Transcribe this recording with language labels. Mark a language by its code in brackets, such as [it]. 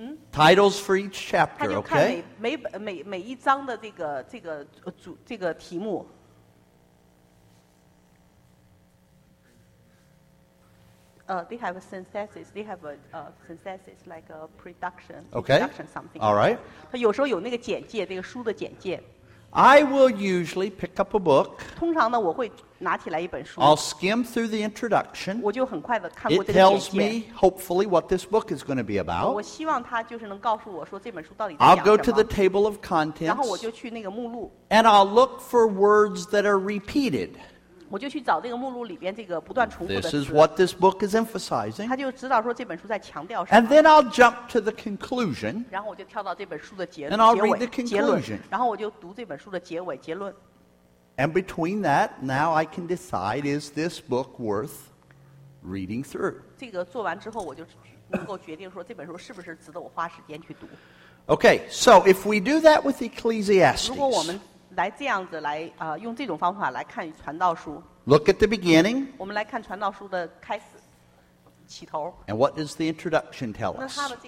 [en] Titles for each chapter, okay? [zh] 他就看每一章的这个题目。 [en] They have a synthesis. They have a synthesis like a production. Okay. Production something. All right. [zh] 他有时候有那个简介，这个书的简介。 [en] I will usually pick up a book. [zh] 通常呢，我会拿起来一本书。 [en] I'll skim through the introduction. [zh] 我就很快的看过这个简介。 [en] It tells me, hopefully, what this book is going to be about. [zh] 我希望它就是能告诉我说这本书到底在讲什么。 [en] I'll go to the table of contents. [zh] 然后我就去那个目录。 [en] And I'll look for words that are repeated. [zh] 我就去找这个目录里边这个不断重复的词。 [en] This is what this book is emphasizing. [zh] 他就知道说这本书在强调什么。 [en] And then I'll jump to the conclusion. [zh] 然后我就跳到这本书的结论。 [en] And I'll read the conclusion. [zh] 然后我就读这本书的结尾结论。 [en] And between that, now I can decide, is this book worth reading through? [zh] 这个做完之后，我就能够决定说这本书是不是值得我花时间去读。 [en] Okay, so if we do that with Ecclesiastes. [zh] 如果我们 来这样子来用这种方法来看传道书。 [en] Look at the beginning. [zh] 我们来看传道书的开始起头。 [en] And what does the introduction tell us?